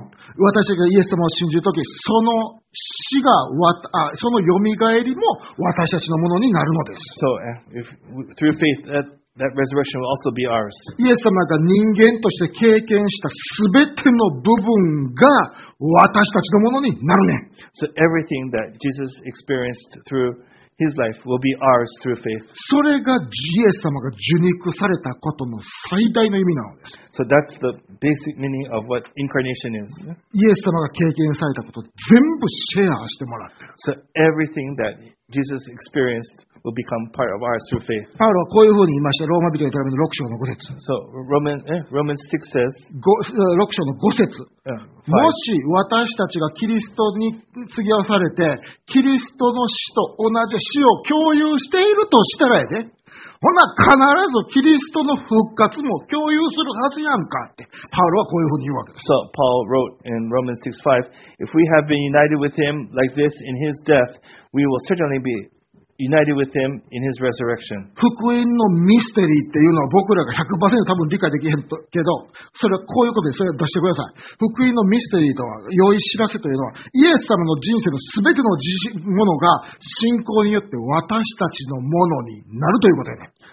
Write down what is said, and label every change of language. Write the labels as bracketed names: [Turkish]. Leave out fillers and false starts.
[Japanese] 私がイエス様を信じるとき、その死がそのよみがえりも私たちのものになるのです。 [English] So, if, through faith, that resurrection will also be ours. [Japanese] イエス様が人間として経験したすべての部分が私たちのものになるね。 [English] So, everything that Jesus experienced through his life will be ours through faith. [Japanese] それがイエス様が受肉されたことの最大の意味なのです。 [English] So that's the basic meaning of what incarnation is. [Japanese] イエス様が経験されたこと全部シェアしてもらってる。 [English] So everything that Jesus experienced will become part of ours through faith. [Japanese] パウロはこういうふうに言いました。ローマ人への手紙の6章の5節。 [English] So Romans 6 says [Japanese] 6章の5節。もし私たちがキリストに継ぎ合わされてキリストの死と同じ死を共有しているとしたらやで、ほな必ずキリストの復活も共有するはずやんかってパウロはこういうふうに言うわけです。 [English] So Paul wrote in Romans 6:5, if we have been united with him like this in his death, we will certainly be united with him in his resurrection. [Japanese] 福音のミステリーっていうのは僕らが 100% 多分理解できへんけど、それはこういうことです。それを出してください。福音のミステリーとは、良い知らせというのは、イエス様の人生のすべてのものが信仰によって私たちのものになるということです。